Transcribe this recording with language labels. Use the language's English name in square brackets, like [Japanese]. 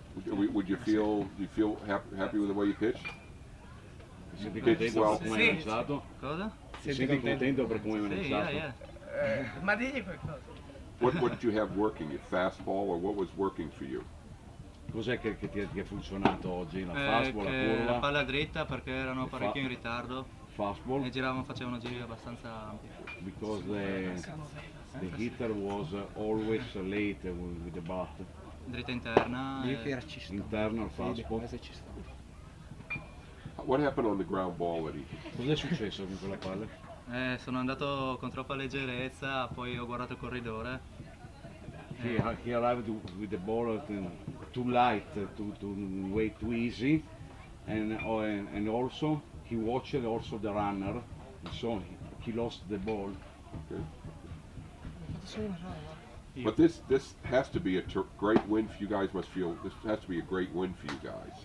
[English] Would you feel happy with the way you pitch? [Italian] Senti contento per come hai lanciato? Cosa? Senti contento per come hai lanciato? Sì, ma digli qualcosa. [English] What did you have working? Your fastball or what was working for you? [Italian] Cos'è che ti ha funzionato oggi? La fastball, la curva? La palla dritta perché erano parecchio in ritardo. [English] Fastball. [Italian] E facevano giri abbastanza ampi. [English] Because the hitter was always late with the bat. [Italian] Dritta interna. [English] Internal fastball. What happened on the ground ball that he? [Italian] Cos'è successo con quella palla? Sono andato con troppa leggerezza, poi ho guardato il corridore. [English] He arrived with the ball too light, too way too easy, and also he watched also the runner, so he lost the ball. Okay. But this has to be a great win for you guys. This has to be a great win for you guys.